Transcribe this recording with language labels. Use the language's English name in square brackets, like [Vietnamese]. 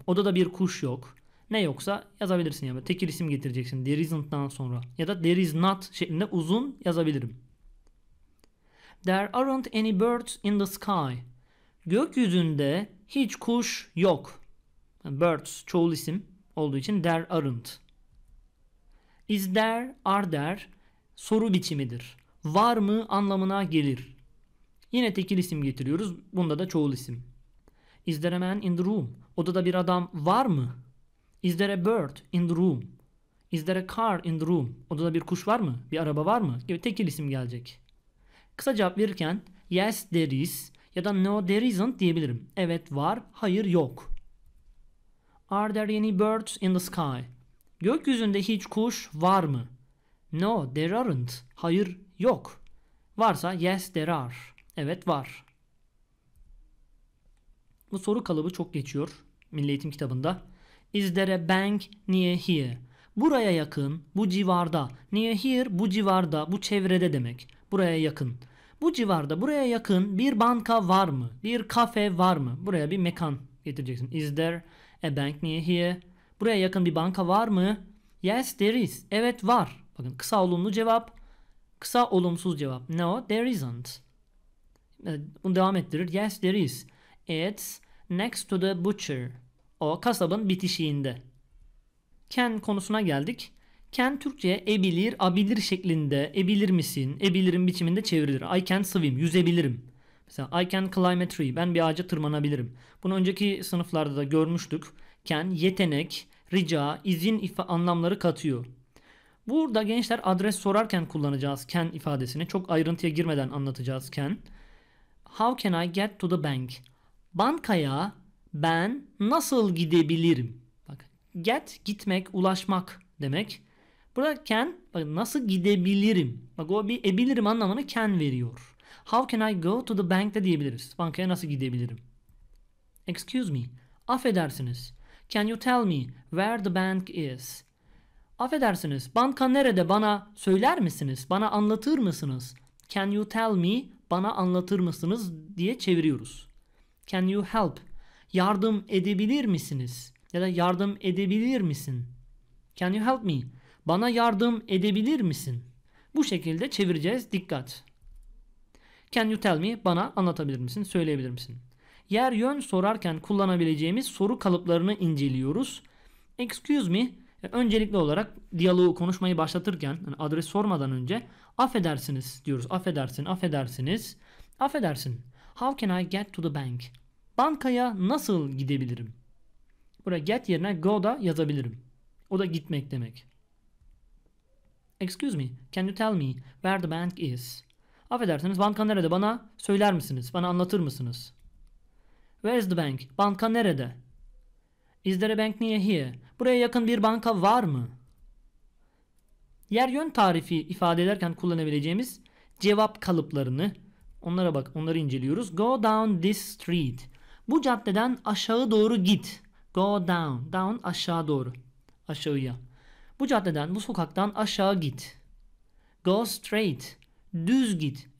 [Turkish] Odada bir kuş yok. Ne yoksa yazabilirsin ya. Tekil isim getireceksin. There isn't'dan sonra. Ya da there is not şeklinde uzun yazabilirim. [English] There aren't any birds in the sky. [Turkish] Gökyüzünde hiç kuş yok. Birds çoğul isim olduğu için [English] there aren't. Is there, are there [Turkish] soru biçimidir. Var mı anlamına gelir. Yine tekil isim getiriyoruz. Bunda da çoğul isim. [English] Is there a man in the room? [Turkish] Odada bir adam var mı? [English] Is there a bird in the room? Is there a car in the room? [Turkish] Odada bir kuş var mı? Bir araba var mı? Gibi tekil isim gelecek. Kısa cevap verirken [English] yes there is [Turkish] Ya da [English] no, there isn't [Turkish] diyebilirim. Evet var, hayır yok. [English] Are there any birds in the sky? [Turkish] Gökyüzünde hiç kuş var mı? [English] No, there aren't. [Turkish] Hayır, yok. Varsa [English] yes, there are. [Turkish] Evet var. Bu soru kalıbı çok geçiyor Milli Eğitim kitabında. [English] Is there a bank near here? [Turkish] Buraya yakın, bu civarda. Near here, bu civarda, bu çevrede demek. Buraya yakın. Bu civarda, buraya yakın bir banka var mı? Bir kafe var mı? Buraya bir mekan getireceksin. [English] Is there a bank near here? [Turkish] Buraya yakın bir banka var mı? [English] Yes, there is. [Turkish] Evet, var. Bakın, kısa olumlu cevap, kısa olumsuz cevap. [English] No, there isn't. [Turkish] Bunu devam ettirir. [English] Yes, there is. It's next to the butcher. [Turkish] O kasabın bitişiğinde. Can konusuna geldik. Can Türkçe'ye ebilir, abilir şeklinde, ebilir misin, ebilirim biçiminde çevrilir. [English] I can swim, [Turkish] yüzebilirim. [English] Mesela I can climb a tree, [Turkish] ben bir ağaca tırmanabilirim. Bunu önceki sınıflarda da görmüştük. Can yetenek, rica, izin anlamları katıyor. Burada gençler adres sorarken kullanacağız can ifadesini. Çok ayrıntıya girmeden anlatacağız can. [English] How can I get to the bank? [Turkish] Bankaya ben nasıl gidebilirim? Bak, get gitmek, ulaşmak demek. Burada can, bak, nasıl gidebilirim? Bak, o bir ebilirim anlamını can veriyor. [English] How can I go to the bank [Turkish] de diyebiliriz. Bankaya nasıl gidebilirim? [English] Excuse me. [Turkish] Affedersiniz. [English] Can you tell me where the bank is? [Turkish] Affedersiniz. Banka nerede, bana söyler misiniz? Bana anlatır mısınız? [English] Can you tell me, [Turkish] bana anlatır mısınız diye çeviriyoruz. [English] Can you help? [Turkish] Yardım edebilir misiniz? Ya da yardım edebilir misin? [English] Can you help me? [Turkish] Bana yardım edebilir misin? Bu şekilde çevireceğiz. Dikkat. [English] Can you tell me? [Turkish] Bana anlatabilir misin? Söyleyebilir misin? Yer yön sorarken kullanabileceğimiz soru kalıplarını inceliyoruz. [English] Excuse me. [Turkish] Öncelikli olarak diyaloğu, konuşmayı başlatırken, yani adres sormadan önce affedersiniz diyoruz. Affedersin, affedersiniz. Affedersin. [English] How can I get to the bank? [Turkish] Bankaya nasıl gidebilirim? Buraya get yerine go da yazabilirim. O da gitmek demek. [English] Excuse me. Can you tell me where the bank is? [Turkish] Affedersiniz. Banka nerede? Bana söyler misiniz? Bana anlatır mısınız? [English] Where is the bank? [Turkish] Banka nerede? [English] Is there a bank near here? [Turkish] Buraya yakın bir banka var mı? Yer yön tarifi ifade ederken kullanabileceğimiz cevap kalıplarını, onlara bak, onları inceliyoruz. [English] Go down this street. [Turkish] Bu caddeden aşağı doğru git. [English] Go down. [Turkish] Down aşağı doğru. Aşağıya. Bu caddeden, bu sokaktan aşağı git. [English] Go straight. [Turkish] Düz git.